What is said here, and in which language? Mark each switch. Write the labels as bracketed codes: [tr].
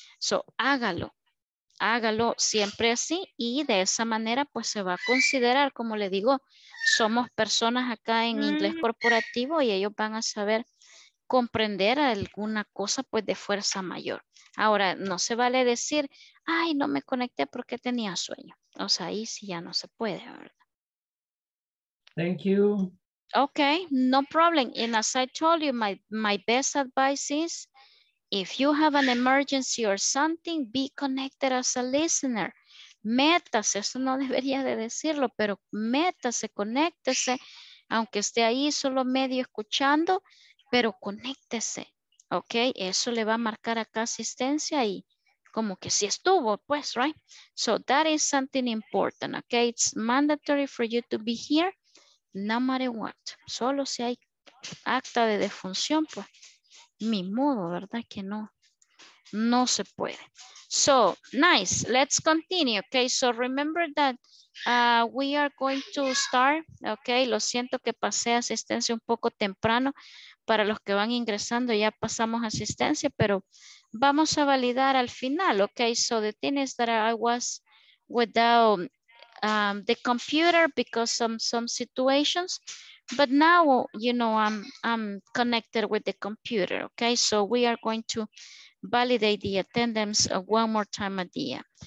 [es] So, hágalo siempre así y de esa manera, pues, se va a considerar, como le digo, somos personas acá en inglés corporativo y ellos van a saber comprender alguna cosa pues de fuerza mayor. Ahora, no se vale decir, ay, no me conecté porque tenía sueño. O sea, ahí sí ya no se puede, ¿verdad? [en] Thank you. Okay, no problem. And as I told you, my best advice is, if you have an emergency or something, be connected as a listener. [es] Métase, eso no debería de decirlo, pero métase, conéctese, aunque esté ahí solo medio escuchando, pero conéctese, ¿ok? Eso le va a marcar acá asistencia y como que sí estuvo, pues, right? [en] So that is something important, ¿ok? It's mandatory for you to be here, no matter what. [es] Solo si hay acta de defunción, pues, mi modo, ¿verdad? Que no, no se puede. [en] So, nice, let's continue, okay? So remember that we are going to start, okay? [es] Lo siento que pasé asistencia un poco temprano. Para los que van ingresando, ya pasamos asistencia, pero vamos a validar al final, okay? [en] So the thing is that I was without the computer because of some situations, but now, you know, I'm connected with the computer, okay? So we are going to validate the attendance one more time at the end.